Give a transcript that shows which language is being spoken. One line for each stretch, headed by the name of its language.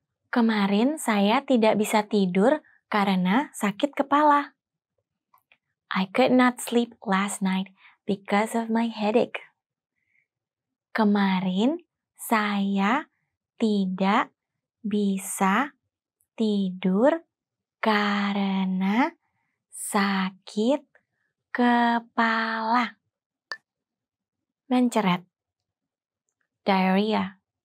Indonesian: Kemarin saya tidak bisa tidur karena sakit kepala.
English: I could not sleep last night because of my headache.
Indonesian: Kemarin saya tidak bisa tidur karena sakit kepala. Mencret. Diarrhea.